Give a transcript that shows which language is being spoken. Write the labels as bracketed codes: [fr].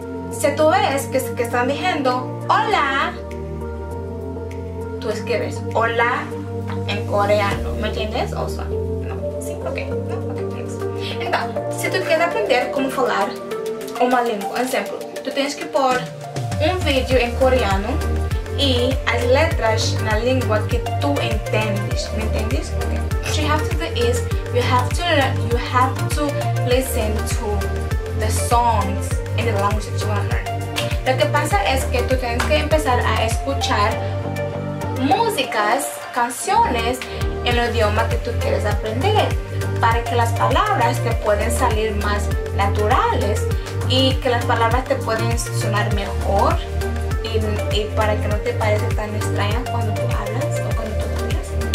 [es] Si tú ves que están diciendo hola, tú escribes hola en coreano. ¿Me entiendes? O sea, no. Sí, ok. No, ok, thanks. Entonces, si tú quieres aprender cómo hablar una lengua, ejemplo, tú tienes que poner un vídeo en coreano y las letras en la lengua que tú entiendes. ¿Me entiendes? Ok. [en] What you have to do is you have to listen to the songs in the language that you want to learn. [es] Lo que pasa es que tú tienes que empezar a escuchar músicas, canciones en el idioma que tú quieres aprender para que las palabras te puedan salir más naturales y que las palabras te puedan sonar mejor y para que no te parezca tan extraña cuando tú hablas o cuando tú escuchas.